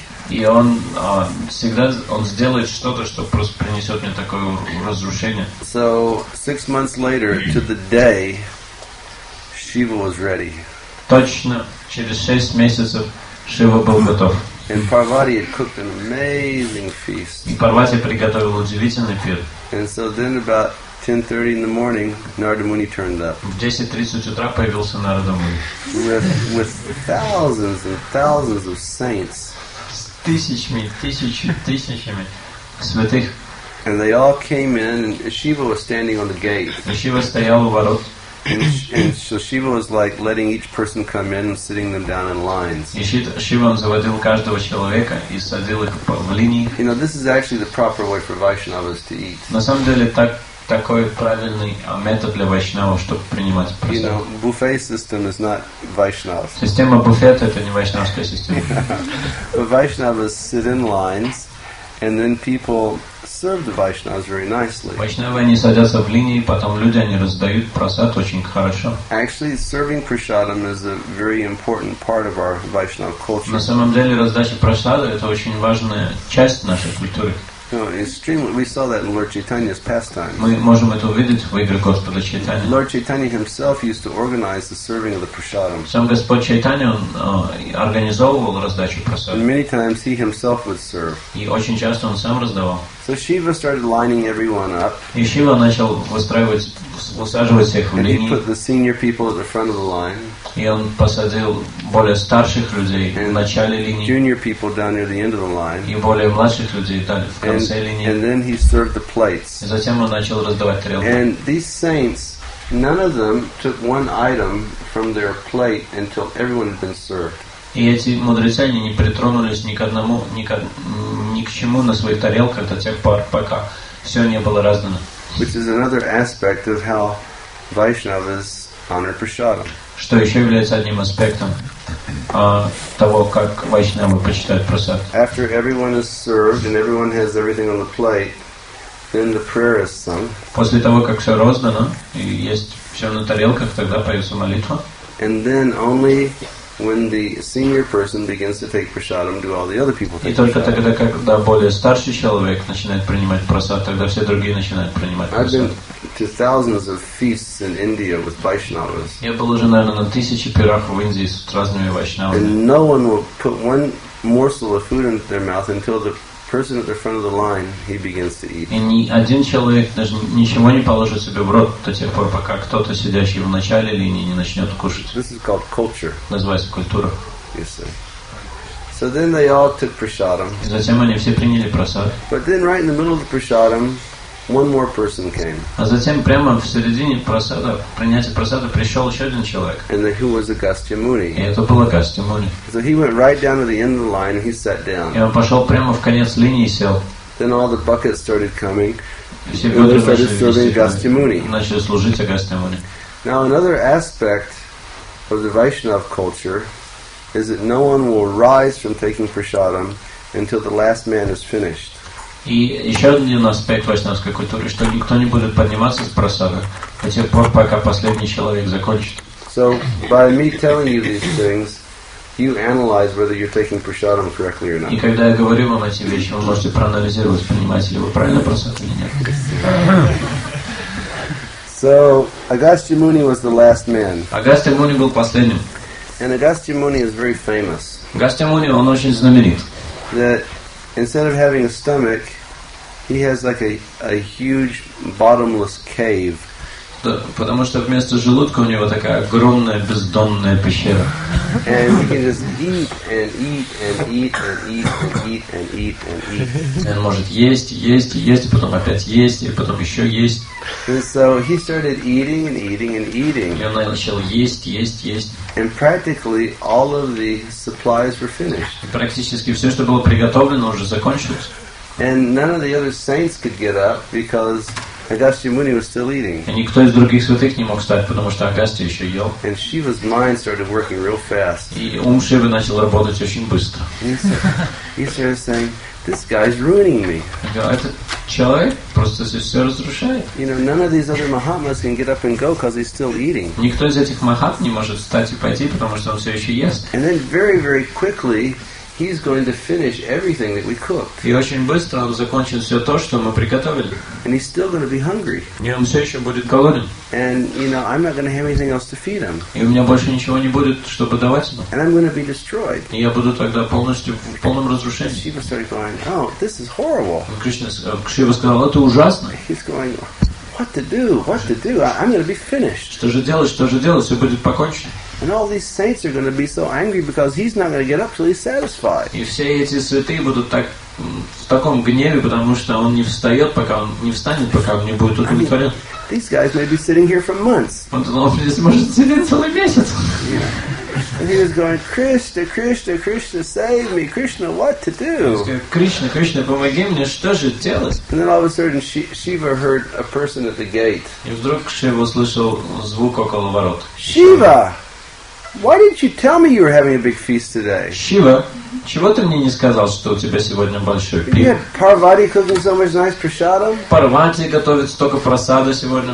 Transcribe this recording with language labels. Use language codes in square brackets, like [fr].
[ru] И он всегда он сделает что-то, что просто принесет мне такое разрушение. [en] So 6 months later, to the day, Shiva was ready. [ru] Точно через 6 месяцев Шива был готов. [en] And Parvati had cooked an amazing feast. [ru] И Парвати приготовил удивительный пир. [en] And so then about 10:30 in the morning, Narada Muni turned up. [ru] В 10:30 утра появился Нарада Муни. [en] With thousands and thousands of saints. [ru] С тысячами, тысячами святых. [en] and they all came in, and Shiva was standing on the gate. [ru] Шива стоял у ворот. [en] And so Shiva was like letting each person come in and sitting them down in lines. [ru] Шива заводил каждого человека и садил их в линии. [en] You know, this is actually the proper way for Vaishnavas to eat. [ru] На самом деле такой правильный метод для вайшнава, чтобы принимать прасад. [en] You know, buffet system is not Vaishnava. [ru] Система буфета — это не вайшнавская система. [en] Vaishnavas sit in lines, and then people serve the Vaishnavas very nicely. [ru] Вайшнавы, они садятся в линии, потом люди, они раздают прасад очень хорошо. [en] Actually, serving prasadam is a very important part of our Vaishnava culture. [ru] На самом деле, раздача прасада — это очень важная часть нашей культуры. [en] No, extremely. We saw that in Lord Chaitanya's pastimes. [ru] Мы можем это увидеть в играх Господа Чайтани. [en] Lord Chaitanya himself used to organize the serving of the prasadam. [ru] Сам Господь Чайтани, он организовывал раздачу прасада. [en] Many times he himself would serve. [ru] И очень часто он сам раздавал. [en] So Shiva started lining everyone up. [ru] И Шива начал усаживать всех в линии. [en] And he put the senior people at the front of the line. [ru] И он посадил более старших людей [en] and [ru] в начале линии. [en] Junior people down near the end of the line. [ru] И более младших людей там в конце линии. [en] And then he served the plates. [ru] И затем он начал раздавать тарелки. [en] And these saints, none of them took one item from their plate until everyone had been served. [ru] И эти мудрецы, они не притронулись ни к чему на своих тарелках до тех пор, пока все не было раздано. [en] Which is another aspect of how Vaishnavas honor prasadam. [ru] Что еще является одним аспектом того, как вайшнавы почитают прасад. [en] After everyone is served and everyone has everything on the plate, then the prayer is sung. [ru] После того, как все раздано и есть все на тарелках, тогда поется молитва. [en] And then only when the senior person begins to take prasadam, do all the other people take it? [ru] И только тогда, когда более старший человек начинает принимать прасад, тогда все другие начинают принимать прасад. [en] I've been to thousands of feasts in India with Vaishnavas. [ru] Я был уже, наверное, на тысячи пирах в Индии с разными вайшнавами. [en] And no one will put one morsel of food into their mouth until the person at the front of the line, he begins to eat. [ru] И ни один человек даже ничего не положит себе в рот до тех пор, пока кто-то сидящий в начале линии не начнет кушать. [en] This is called culture. [ru] Называется культура. [en] You see. So then they all took prasadam. [ru] И затем они все приняли прасад. [en] But then right in the middle of the prasadam, one more person came. [ru] А затем прямо в середине прасада, принятия прасада, пришел еще один человек. [en] And who was Agastya Muni? [ru] И это был Агастья Муни. [en] So he went right down to the end of the line and he sat down. [ru] И он пошел прямо в конец линии и сел. [en] Then all the buckets started coming. [ru] И все бедра начали служить Агастья Муни. [en] Now another aspect of the Vaishnav culture is that no one will rise from taking prasadam until the last man is finished. [ru] И еще один аспект вайшнавской культуры, что никто не будет подниматься с прасада до тех пор, пока последний человек закончит. [en] So, by me telling you these things, you analyze whether you're taking prasadam correctly or not. [ru] И когда я говорю вам эти вещи, вы можете проанализировать, принимаете ли вы правильно прасад или нет. [en] So, Agastya Muni was the last man. [ru] Агастья Муни был последним. [en] And Agastya Muni is very famous. [ru] Агастья Муни, он очень знаменит. [en] Instead of having a stomach, he has like a huge bottomless cave. [ru] Да, потому что вместо желудка у него такая огромная бездонная пещера. [en] And he can just eat and eat and eat and eat and eat and eat and eat. [ru] Он может есть, есть, есть, и потом опять есть, и потом еще есть. [en] And so he started eating and eating and eating. [ru] И он начал есть, есть, есть. [en] And practically all of the supplies were finished. [ru] Практически все, что было приготовлено, уже закончилось. [en] And none of the other saints could get up because Agastya Muni was still eating. [ru] И никто из других святых не мог встать, потому что Агастья еще ел. [en] And Shiva's mind started working real fast. [ru] И ум Шивы начал работать очень быстро. [en] He started saying, "This guy's ruining me." [ru] Этот человек просто все разрушает. [en] You know, none of these other Mahatmas can get up and go because he's still eating. [ru] Никто из этих Махат не может встать и пойти, потому что он все еще ест. [en] And then very, very quickly, he's going to finish everything that we cooked. [ru] И очень быстро он закончит все то, что мы приготовили. [en] And he's still going to be hungry. [ru] И он все еще будет голоден. [en] And you know, I'm not going to have anything else to feed him. [ru] И у меня больше ничего не будет, чтобы давать ему. [en] And I'm going to be destroyed. [ru] И я буду тогда полностью в полном разрушении. [en] Shiva started going, "Oh, this is horrible." [ru] Кришна сказал, это ужасно. [en] He's going, "What to do? What to do? I'm going to be finished." [ru] Что же делать? Что же делать? Все будет покончено. [en] And all these saints are going to be so angry because he's not going to get up till he's satisfied. [ru] И все эти святые будут так в таком гневе, потому что он не встает, пока он не встанет, пока он не будет удовлетворен. [en] These guys may be sitting here for months. [ru] Он здесь может сидеть целый месяц. [en] And he was going, Krishna, Krishna, Krishna, save me, Krishna, what to do? [ru] Krishna, Krishna, помоги мне, что же делать? [en] And then all of a sudden, Shiva heard a person at the gate. [ru] И вдруг Шива услышал звук около ворот. [en] Shiva, why didn't you tell me you were having a big feast today? [ru] Shiva, чего ты мне не сказал, что у тебя сегодня большой пир? [en] Yeah, Parvati cooking so much nice prasadam. [ru] Parvati готовит столько прасада сегодня.